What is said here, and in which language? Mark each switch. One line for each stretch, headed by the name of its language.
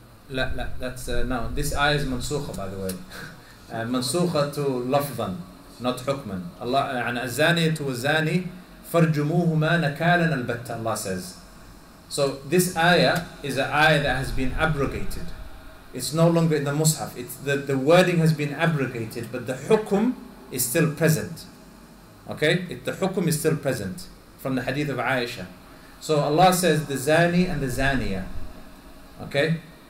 English: No, this ayah is منسوخة, by the way.
Arabic: منسوخة to لفظا, not حكما. Allah, الزانية والزاني فرجموهما نكالا البتة,
English: Allah says. So this ayah is an ayah that has been abrogated. It's no longer in the Mus'haf. The wording has been abrogated, but the hukum is still present. Okay? The hukum is still present from the hadith of Aisha. So Allah says, the zani and the zaniya. Okay?